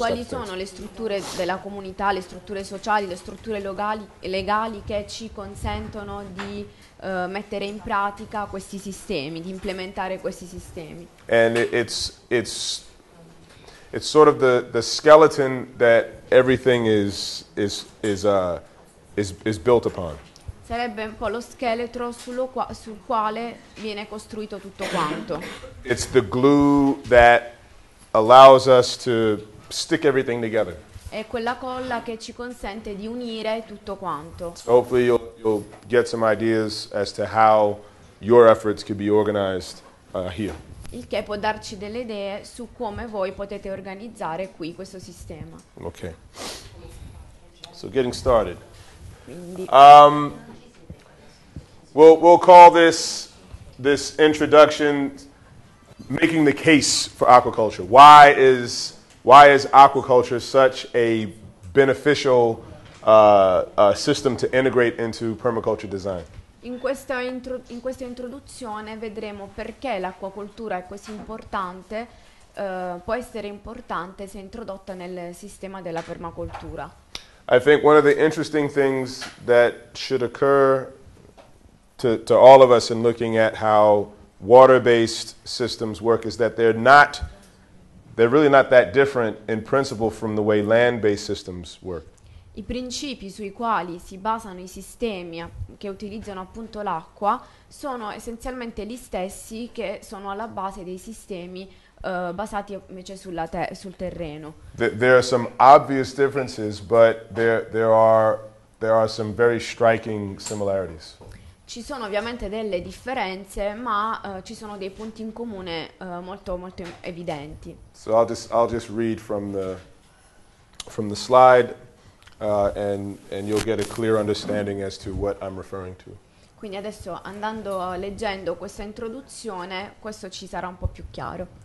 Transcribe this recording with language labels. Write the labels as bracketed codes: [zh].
[it] Quali sono le strutture della comunità, le strutture sociali, le strutture legali che ci consentono di mettere in pratica questi sistemi, di implementare questi sistemi? [en] And it's sort of the skeleton that everything is built upon. [it] Sarebbe un po' lo scheletro sul quale viene costruito tutto quanto. [en] It's the glue that allows us to stick everything together. [it] È quella colla che ci consente di unire tutto quanto. [en] Hopefully you'll get some ideas as to how your efforts could be organized here. [it] Il che può darci delle idee su come voi potete organizzare qui questo sistema. [en] Okay. So getting started. We'll call this introduction making the case for aquaculture. Why is aquaculture such a beneficial system to integrate into permaculture design? [it] In questa introduzione vedremo perché l'acquacoltura è così importante, può essere importante se introdotta nel sistema della permacultura. [en] I think one of the interesting things that should occur to all of us in looking at how water-based systems work is that they're really not that different in principle from the way land-based systems work. [it] I principi sui quali si basano i sistemi che utilizzano appunto l'acqua sono essenzialmente gli stessi che sono alla base dei sistemi basati invece sul terreno. [en] There are some obvious differences, but there are some very striking similarities. [it] Ci sono ovviamente delle differenze, ma ci sono dei punti in comune molto molto evidenti. [en] So I'll just read from the slide, and you'll get a clear understanding as to what I'm referring to. [it] Quindi adesso andando leggendo questa introduzione, questo ci sarà un po' più chiaro.